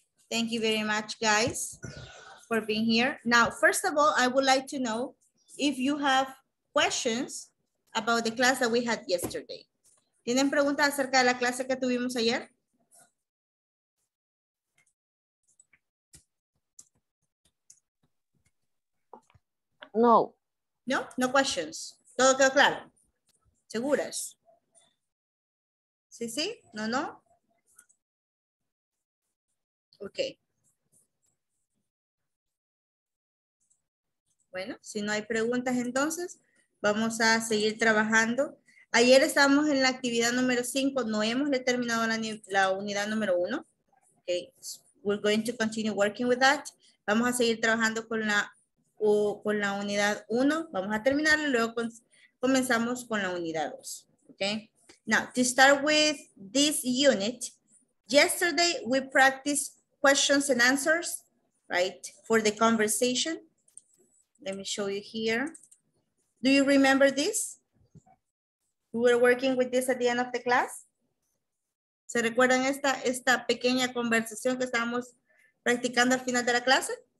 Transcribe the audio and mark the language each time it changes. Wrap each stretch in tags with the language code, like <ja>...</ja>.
<en>Thank you very much, guys, for being here. Now, first of all, I would like to know if you have questions about the class that we had yesterday.</en> <es>¿Tienen preguntas acerca de la clase que tuvimos ayer? No.</es> <en>No, no questions.</en> <es>¿Todo quedó claro? ¿Seguras? Sí, sí, no, no.</es> <en>Okay.</en> <es>Bueno, si no hay preguntas, entonces vamos a seguir trabajando. Ayer estábamos en la actividad número 5, no hemos terminado la unidad número 1.</es> <en>Okay. So we're going to continue working with that.</en> <es>Vamos a seguir trabajando con la unidad 1. Vamos a terminar y luego comenzamos con la unidad 2.</es> <en>Okay. Now, to start with this unit, yesterday we practiced questions and answers, right, for the conversation. Let me show you here. Do you remember this? We were working with this at the end of the class.</en> <es>¿Se recuerdan esta pequeña conversación que estábamos practicando al final de la clase?</es>